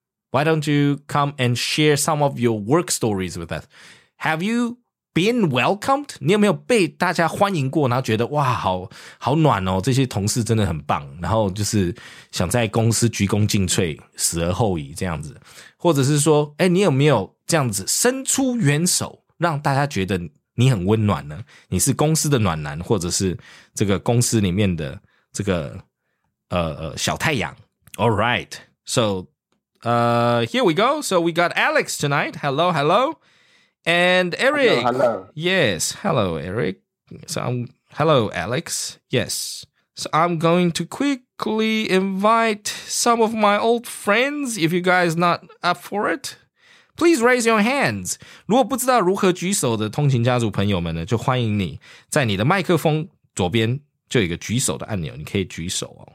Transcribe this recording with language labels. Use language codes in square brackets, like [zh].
[en] Why don't you come and share some of your work stories with us? Have you been welcomed? [zh] 你有没有被大家欢迎过然后觉得哇好暖哦这些同事真的很棒然后就是想在公司鞠躬尽瘁死而后已这样子或者是说你有没有这样子伸出援手让大家觉得你很温暖呢你是公司的暖男或者是这个公司里面的这个小太阳 [en] All right. So, here we go. So we got Alex tonight. Hello. And Eric. Hello. Yes. Hello, Eric. Hello, Alex. Yes. So I'm going to quickly invite some of my old friends. If you guys not up for it, please raise your hands. [zh] 如果不知道如何举手的通勤家族朋友们呢，就欢迎你在你的麦克风左边。就有一个举手的按钮，你可以举手哦。